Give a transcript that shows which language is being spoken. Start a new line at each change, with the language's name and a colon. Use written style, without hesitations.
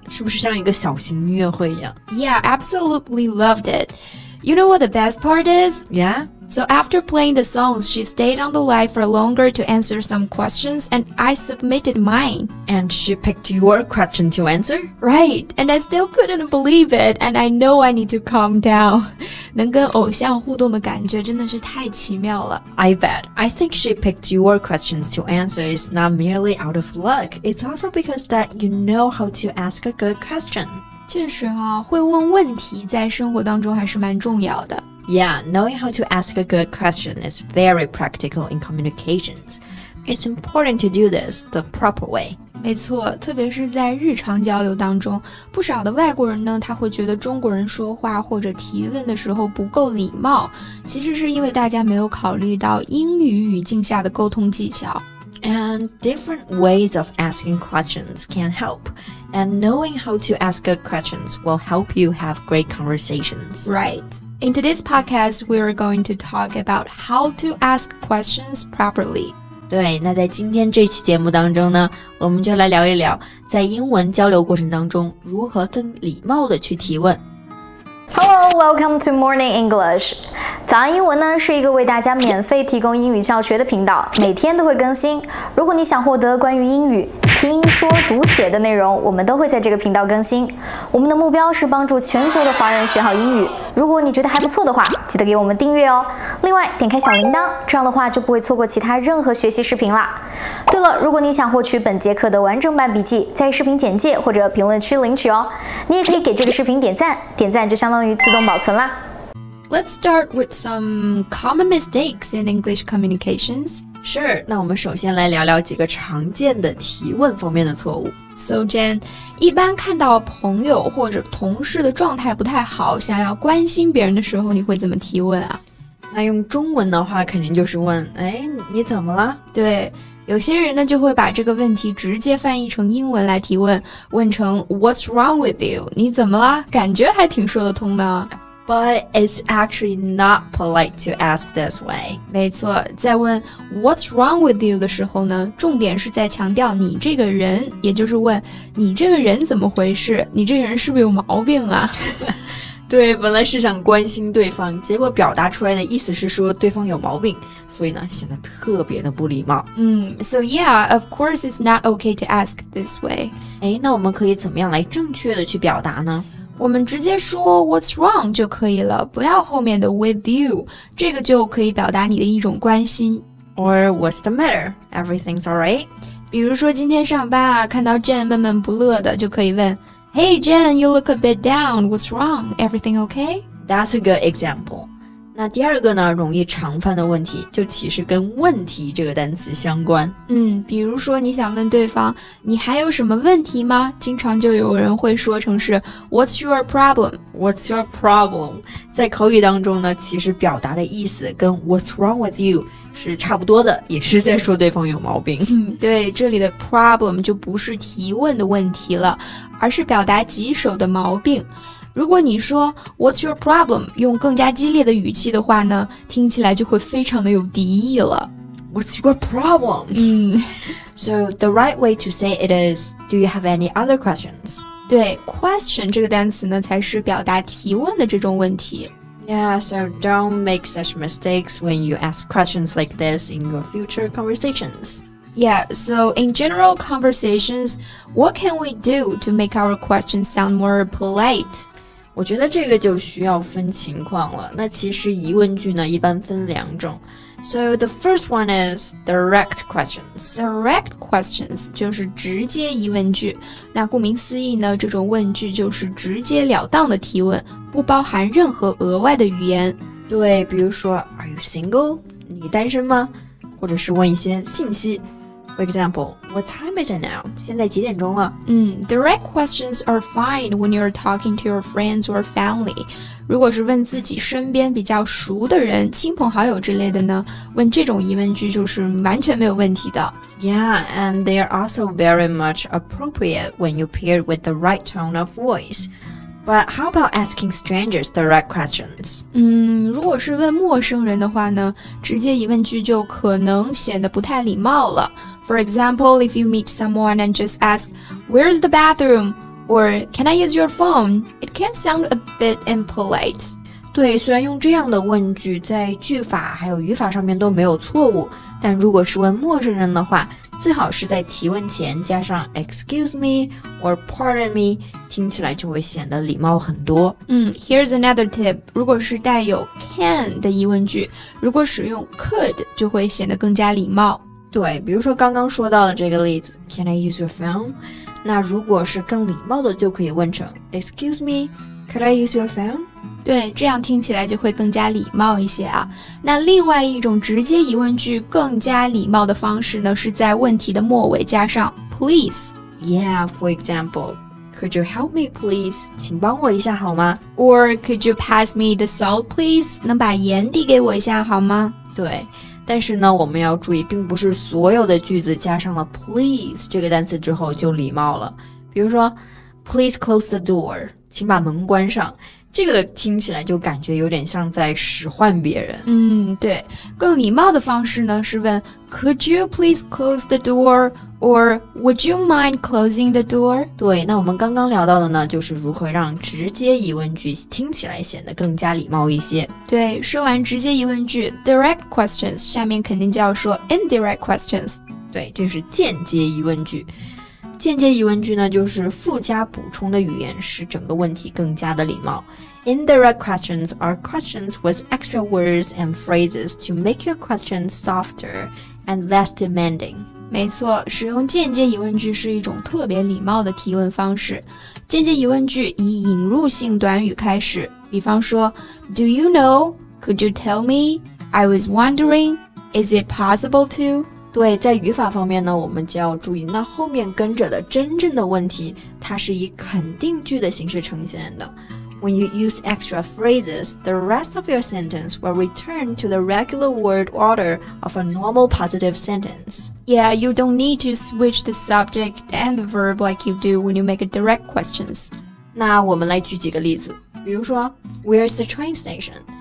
Chinese: 是不是像一个小型音乐会一样
English: Yeah, absolutely loved it. You know what the best part is? Yeah? So after playing the songs, she stayed on the live for longer to answer some questions, and I submitted mine. And she picked your question to answer? Right, and I still couldn't believe it, and I know I need to calm down.
Chinese: 能跟偶像互动的感觉真的是太奇妙了。
English: I bet. I think she picked your questions to answer is not merely out of luck. It's also because that you know how to ask a good question.
Chinese: 确实啊，会问问题在生活当中还是蛮重要的。
English: Yeah, knowing how to ask a good question is very practical in communications. It's important to do this the proper way.
Chinese: 没错，特别是在日常交流当中，不少的外国人呢，他会觉得中国人说话或者提问的时候不够礼貌，其实是因为大家没有考虑到英语语境下的沟通技巧。
English: And different ways of asking questions can help. And knowing how to ask good questions will help you have great conversations. Right. In today's podcast, we are going to talk about how to ask questions properly.
Chinese: 对，那在今天这期节目当中呢，我们就来聊一聊在英文交流过程当中如何更礼貌地去提问。
English: Hello, welcome to Morning English.
Chinese: 早安英文呢是一个为大家免费提供英语教学的频道，每天都会更新。如果你想获得关于英语听说读写的内容，我们都会在这个频道更新。我们的目标是帮助全球的华人学好英语。如果你觉得还不错的话，记得给我们订阅哦。另外，点开小铃铛，这样的话就不会错过其他任何学习视频啦。对了，如果你想获取本节课的完整版笔记，在视频简介或者评论区领取哦。你也可以给这个视频点赞，点赞就相当于自动保存啦。
English: Let's start with some common mistakes in English communications.
Chinese: Sure, 那我们首先来聊聊几个常见的提问方面的错误。 So, Jen, 一般看到朋友或者同事的状态不太好，想要关心别人的时候，你会怎么提问啊？那用中文的话，肯定就是问，哎，你怎么了？对，有些人呢，就会把这个问题直接翻译成英文来提问，问成
English: What's wrong with you?
Chinese: 你怎么了？感觉还挺说得通的。
English: But it's actually not polite to ask this way.
Chinese: 没错，在问
English: What's wrong with you
Chinese: 的时候呢，重点是在强调你这个人，也就是问你这个人怎么回事，你这个人是不是有毛病啊？对，本来是想关心对方，结果表达出来的意思是说对方有毛病，所以呢，显得特别的不礼貌。
English: So yeah, of course it's not okay to ask this way.
Chinese: 哎，那我们可以怎么样来正确的去表达呢？我们直接说
English: what's wrong
Chinese: 就可以了，不要后面的
English: with you，
Chinese: 这个就可以表达你的一种关心。
English: Or what's the matter? Everything's alright?
Chinese: 比如说今天上班啊，看到 Jane 闷闷不乐的，就可以问
English: Hey Jane, you look a bit down, what's wrong? Everything okay? That's a good example.
Chinese: 那第二个呢，容易常犯的问题，就其实跟问题这个单词相关。比如说你想问对方你还有什么问题吗，经常就有人会说成是
English: What's your problem? What's your problem?
Chinese: 在口语当中呢，其实表达的意思跟
English: What's wrong with you
Chinese: 是差不多的，也是在说对方有毛病。对，这里的 problem 就不是提问的问题了，而是表达棘手的毛病。如果你说
English: What's your problem?
Chinese: 用更加激烈的语气的话呢，听起来就会非常的有敌意了。
English: What's your problem? So the right way to say it is, Do you have any other questions?
Chinese: 对， question 这个单词呢，才是表达提问的这种问题。
English: Yeah, so don't make such mistakes when you ask questions like this in your future conversations. Yeah, so in general conversations, what can we do to make our questions sound more polite?
Chinese: 我觉得这个就需要分情况了。那其实疑问句呢，一般分两种。
English: So the first one is direct questions.
Chinese: Direct questions 就是直接疑问句。那顾名思义呢，这种问句就是直截了当的提问，不包含任何额外的语言。对，比如说
English: Are you single?
Chinese: 你单身吗？或者是问一些信息。
English: For example,
Chinese: 我
English: What time is it now?
Chinese: 现在几点钟了？
English: Direct questions are fine when you're talking to your friends or family.
Chinese: 如果是问自己身边比较熟的人、亲朋好友之类的呢，问这种疑问句就是完全没有问题的。
English: Yeah, and they are also very much appropriate when you pair with the right tone of voice. But how about asking strangers the right questions?
Chinese: 如果是问陌生人的话呢，直接疑问句就可能显得不太礼貌了。
English: For example, if you meet someone and just ask, "Where's the bathroom?" or "Can I use your phone?" it can sound a bit impolite.
Chinese: 对，虽然用这样的问句在句法还有语法上面都没有错误，但如果是问陌生人的话。最好是在提问前加上
English: excuse me or pardon me,
Chinese: 听起来就会显得礼貌很多。
English: Here's another tip.
Chinese: 如果是带有 can 的疑问句，如果使用 could 就会显得更加礼貌。对，比如说刚刚说到的这个例子 ,
English: can I use your phone?
Chinese: 那如果是更礼貌的就可以问成
English: excuse me, could I use your phone?
Chinese: 对，这样听起来就会更加礼貌一些啊。那另外一种直接疑问句更加礼貌的方式呢，是在问题的末尾加上 please.
English: Yeah, for example, could you help me please?
Chinese: 请帮我一下好吗？
English: Or could you pass me the salt please?
Chinese: 能把盐递给我一下好吗？对，但是呢，我们要注意，并不是所有的句子加上了 please 这个单词之后就礼貌了。比如说
English: please close the door,
Chinese: 请把门关上。这个听起来就感觉有点像在使唤别人。对，更礼貌的方式呢是问
English: Could you please close the door?
Chinese: Or would you mind closing the door? 对，那我们刚刚聊到的呢就是如何让直接疑问句听起来显得更加礼貌一些。对，说完直接疑问句 Direct questions, 下面肯定就要说 Indirect questions。对，这是间接疑问句。间接疑问句呢，就是附加补充的语言，使整个问题更加的礼貌。
English: Indirect questions are questions with extra words and phrases to make your question softer and less demanding.
Chinese: 没错，使用间接疑问句是一种特别礼貌的提问方式。间接疑问句以引入性短语开始，比方说
English: Do you know? Could you tell me? I was wondering, is it possible to?
Chinese: 对，在语法方面呢，我们就要注意，那后面跟着的真正的问题，它是以肯定句的形式呈现的。
English: When you use extra phrases, the rest of your sentence will return to the regular word order of a normal positive sentence. Yeah, you don't need to switch the subject and the verb like you do when you make a direct questions.
Chinese: 那我们来举几个例子，比如说
English: Where's the train station?